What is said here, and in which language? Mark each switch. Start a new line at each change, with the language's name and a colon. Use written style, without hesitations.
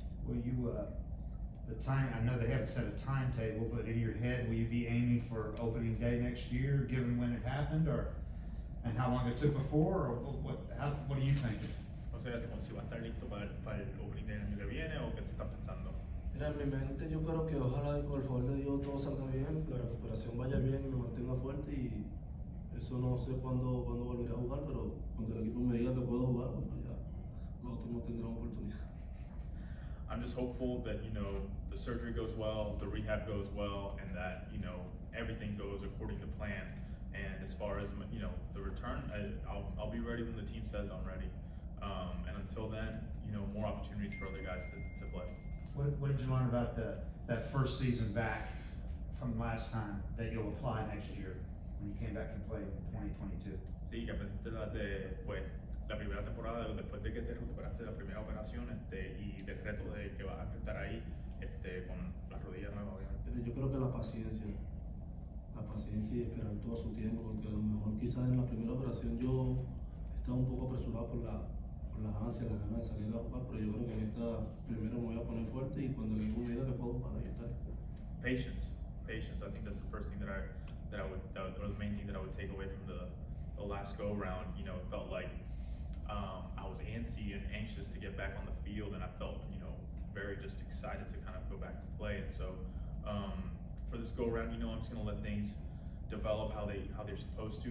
English: Well, you, the time, I know they haven't set a timetable, but in your head, will you be aiming for opening day next year, given when it happened, or and how long it took before, or what are you thinking?
Spanish: O sea, si va a estar listo para el opening day el año que viene, o qué te estás pensando? Mira, en mi mente, yo creo que ojalá y con el favor de Dios todo salga bien, la recuperación vaya bien y me mantenga fuerte, y eso no sé cuándo volveré a jugar, pero cuando el equipo me diga que puedo jugar, pues ya nosotros no tendremos oportunidad.
English: I'm just hopeful that, you know, the surgery goes well, the rehab goes well, and that, you know, everything goes according to plan. And as far as, you know, the return, I'll be ready when the team says I'm ready. And until then, you know, more opportunities for other guys to play. What did you learn about that first season back from last time that you'll apply next year when you came back to play in 2022?
Spanish: Sí, que aprendí después. La primera temporada, después de que te recuperaste la primera operación y del reto de que vas a estar ahí con las rodillas nuevas, obviamente. Pero yo creo que la paciencia y esperar todo su tiempo, porque a lo mejor quizás en la primera operación yo estaba un poco apresurado por las ansias, las ganas de salir a jugar, pero yo creo que en esta primero me voy a poner fuerte y cuando le digo vida que puedo jugar, ahí estaré.
English: Patience, I think that's the first thing that I would take away from the last go around. You know, it felt like I was antsy and anxious to get back on the field, and I felt, you know, very just excited to kind of go back to play. And so for this go around, you know, I'm just gonna let things develop how they're supposed to.